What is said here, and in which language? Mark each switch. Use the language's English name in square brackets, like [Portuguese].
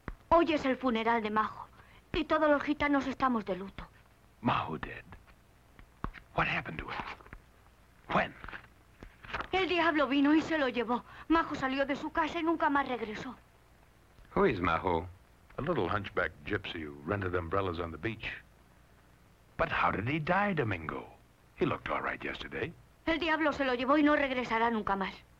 [Spanish] Hoy es el funeral de Majo, y todos los gitanos estamos de luto. [English] Majo dead. What happened to her? When? [Spanish] El diablo vino y se lo llevó. Majo salió de su casa y nunca más regresó. [English] Who is Majo? A little hunchback gypsy who rented umbrellas on the beach. But how did he die, Domingo? He looked all right yesterday. [Spanish] El diablo se lo llevó y no regresará nunca más.